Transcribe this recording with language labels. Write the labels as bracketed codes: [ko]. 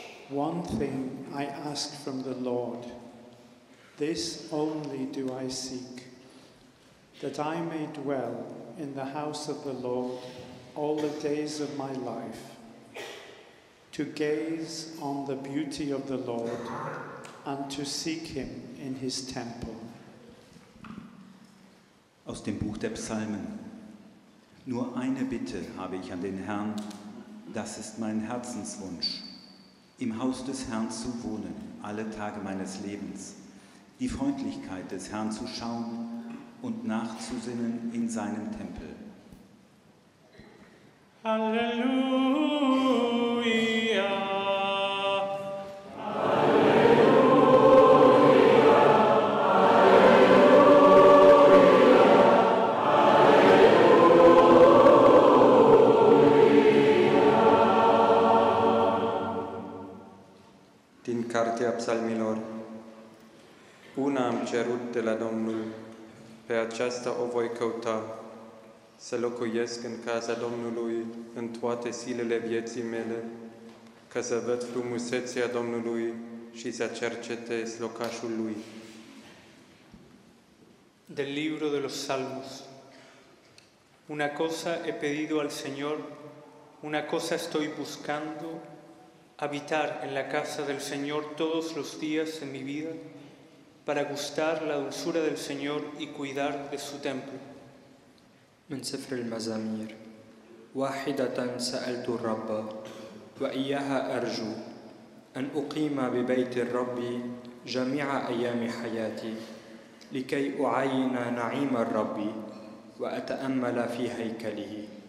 [en] One thing I ask from the Lord, this only do I seek, that I may dwell in the house of the Lord all the days of my life, to gaze on the beauty of the Lord and to seek him in his temple. [de] Aus dem Buch der Psalmen. Nur eine Bitte habe ich an den Herrn, das ist mein Herzenswunsch, im Haus des Herrn zu wohnen, alle Tage meines Lebens, die Freundlichkeit des Herrn zu schauen und nachzusinnen in seinem Tempel. Halleluja! [ro] Din cartea psalmilor, una am cerut de la Domnul, pe aceasta o voi căuta, să locuiesc în casa Domnului în toate zilele vieții mele, ca să văd frumusețea Domnului și să cercetez locașul Lui. [es] Del libro de los Salmos. Una cosa he pedido al Señor, una cosa estoy buscando, habitar en la casa del Señor todos los días en mi vida, para gustar la dulzura del Señor y cuidar de su templo. [ar] من سفر المزامير واحدة سألت الرب وإياها أرجو أن أقيم ببيت الرب جميع أيام حياتي لكي أعين نعيم الرب وأتأمل في هيكله.